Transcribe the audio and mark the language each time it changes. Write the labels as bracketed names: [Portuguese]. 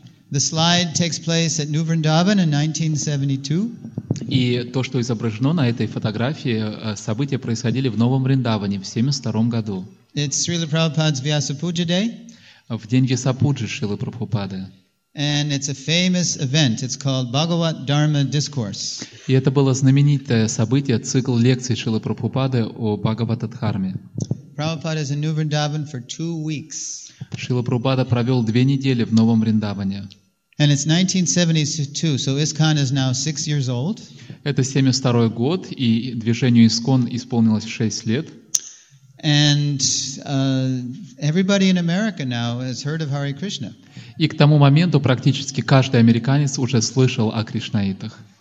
[English] The slide takes place at New Vrindavan in 1972. [Russian] И то, что изображено на этой фотографии, события происходили в Новом Вриндаване в 72 году. [English] It's Srila Prabhupada's Vyasa Puja Day. [Russian] В день Вьяса Пуджи Шрилы Прабхупады. [English] And it's a famous event. It's called Bhagavat Dharma Discourse. [Russian] И это было знаменитое событие, цикл лекций Шрилы Прабхупады о Бхагавад-дхарме. [English] Prabhupada is in New Vrindavan for 2 weeks. [Russian] Шрила Прабхупада провел 2 недели в Новом Вриндаване. [English] And it's 1972, so ISKCON is now 6 years old. [Russian] Это 72 год, и движению ИСККОН исполнилось 6 лет. [English] And everybody in America now has heard of Hare Krishna. [Russian] И к тому моменту практически каждый американец уже слышал о кришнаитах.